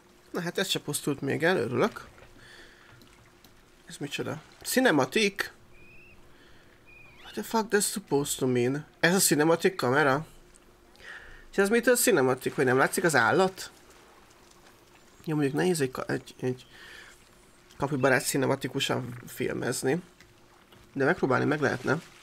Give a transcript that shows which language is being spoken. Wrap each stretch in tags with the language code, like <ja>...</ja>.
<hu>Na hát ez se pusztult még el, örülök. Ez micsoda? Cinematic?</hu> <en>What the fuck that's supposed to mean?</en> <hu>Ez a cinematic kamera? És ez mitől cinematic, hogy nem látszik az állat? Jó, mondjuk nehéz egy kapibarát cinematikusan filmezni. De megpróbálni meg lehetne.</hu>